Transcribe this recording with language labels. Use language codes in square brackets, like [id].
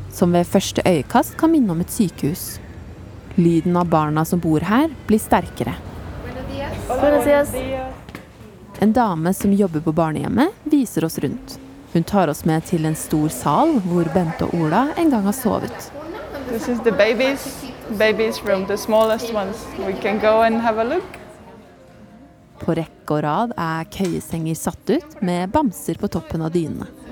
[no] som ved første øyekast kan minne om et sykehus. Lyden av barna som bor her blir sterkere. En dame som jobber på barnehjemmet viser oss rundt. Hun tar oss med til en stor sal hvor Bente og Ola en gang har sovet. [en] This is the babies, babies from the smallest ones. We can go and have a look. [no] På rekke og rad er køyesenger satt ut med bamser på toppen av dynene.